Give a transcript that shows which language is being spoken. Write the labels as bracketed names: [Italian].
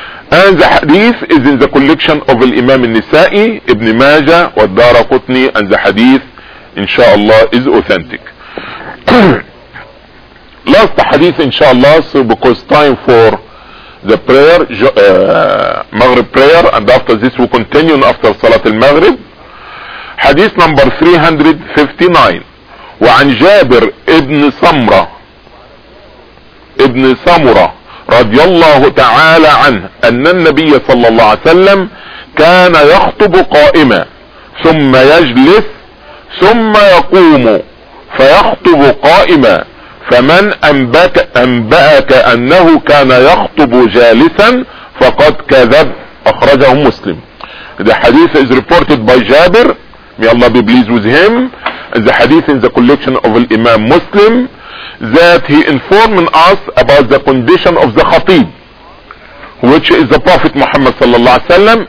[English] And the hadith is in the collection of Imam al-Nisa'i, Ibn Majah, and Dara-Qutni, and the hadith, inshallah, is authentic. Last hadith, inshallah, so because time for the prayer, Maghrib prayer, and after this we continue after Salat al-Maghrib. Hadith number 359. [Arabic] وعن جابر ابن سمرة ابن سمرة رضي الله تعالى عنه أن النبي صلى الله عليه وسلم كان يخطب قائما ثم يجلس ثم يقوم فيخطب قائما، فمن انبأك انه كان يخطب جالسا فقد كذب. اخرجه مسلم. [English] The hadith is reported by Jabir, may Allah be pleased with him. The hadith in the collection of Imam Muslim, that he informed us about the condition of the khatib, which is the Prophet Muhammad sallallahu alaihi wasallam.